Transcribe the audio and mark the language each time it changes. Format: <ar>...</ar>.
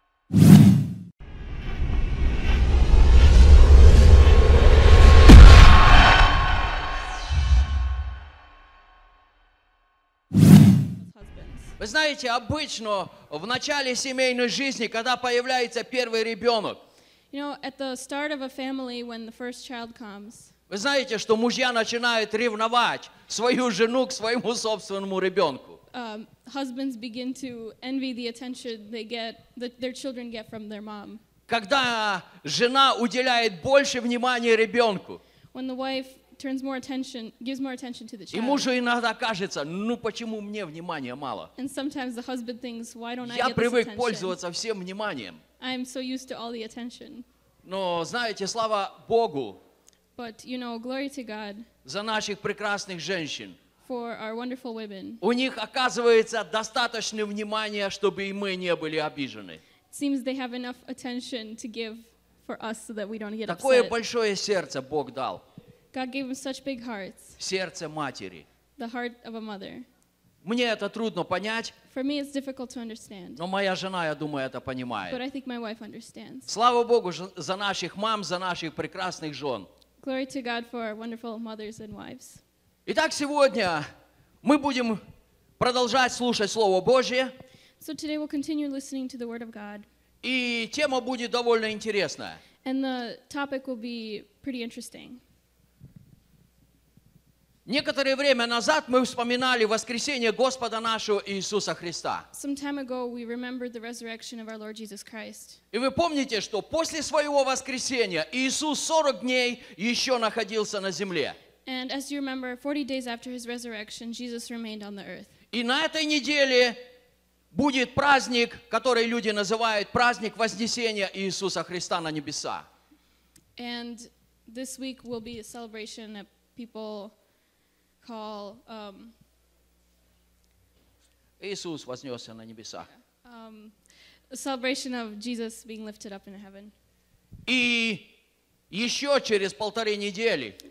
<ru>Вы знаете, обычно в начале семейной жизни, когда появляется первый ребенок,</ru> <en>you know, at the start of a family, when the first child comes,</en> <ru>вы знаете, что мужья начинают ревновать свою жену к своему собственному ребенку.</ru> <en>Husbands begin to envy the attention they get, that their children get from their mom.</en> <ru>Когда жена уделяет больше внимания ребенку,</ru> <en>when the wife turns more attention, gives more attention to the child.</en> <ru>И мужу иногда кажется, ну почему мне внимания мало?</ru> <en>And sometimes the husband thinks, why don't I get this attention?</en> <ru>Я привык пользоваться всем вниманием.</ru> <en>I'm so used to all the attention.</en> <ru>Но знаете, слава Богу.</ru> <en>But you know, glory to God.</en> <ru>За наших прекрасных женщин.</ru> <en>For our wonderful women.</en> <ru>У них оказывается достаточно внимания, чтобы и мы не были обижены.</ru> <en>It seems they have enough attention to give for us so that we don't get</en> <ru>Такое</ru> <en>upset.</en> <ru>Большое сердце Бог дал.</ru> <en>God gave him such big hearts.</en> <ru>Сердце матери.</ru> <en>The heart of a mother.</en> <ru>Мне это трудно понять.</ru> <en>For me it's difficult to understand.</en> <ru>Но моя жена, я думаю, это понимает.</ru> <en>But I think my wife understands.</en> <ru>Слава Богу за наших мам, за наших прекрасных жен.</ru> <en>Glory to God for our wonderful mothers and wives.</en> <ru>Итак, сегодня мы будем продолжать слушать Слово Божье.</ru> <en>So today we'll continue listening to the Word of God.</en> <ru>И тема будет довольно интересная.</ru> <en>And the topic will be pretty interesting.</en> <ru>Некоторое время назад мы вспоминали воскресение Господа нашего Иисуса Христа.</ru> <en>Some time ago we remembered the resurrection of our Lord Jesus Christ.</en> <ru>И вы помните, что после своего воскресения Иисус 40 дней еще находился на земле.</ru> <en>And as you remember, 40 days after his resurrection, Jesus remained on the earth.</en> <ru>И на этой неделе будет праздник, который люди называют праздник вознесения Иисуса Христа на небеса.</ru> <en>And this week will be a celebration that people call</en> <ru>Иисус вознесся на небеса.</ru> <en>A celebration of Jesus being lifted up in heaven.</en> <ru>И еще через полторы недели</ru>